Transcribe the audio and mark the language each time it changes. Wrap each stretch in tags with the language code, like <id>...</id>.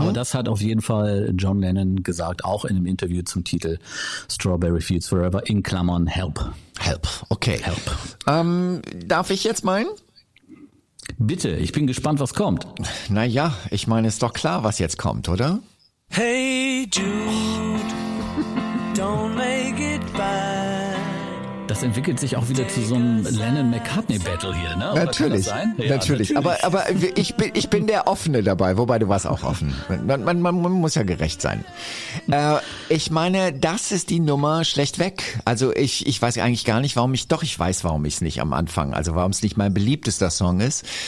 <de>Aber das hat auf jeden Fall John Lennon gesagt, auch in einem Interview zum Titel Strawberry Fields Forever, in Klammern Help. Help, okay. Help. Darf ich jetzt meinen? Bitte, ich bin gespannt, was kommt. Naja, ich meine, ist doch klar, was jetzt kommt, oder?</de> <en>Hey Jude, don't make it bad.</en> <de>Das entwickelt sich auch wieder zu so einem Lennon-McCartney-Battle hier, ne? Oder natürlich, kann das sein? Ja, natürlich. Aber ich bin der Offene dabei, wobei du warst auch offen. Man muss ja gerecht sein. Ich meine, das ist die Nummer schlechtweg. Also ich weiß eigentlich gar nicht, warum ich es nicht am Anfang, also warum es nicht mein beliebtester Song ist.</de>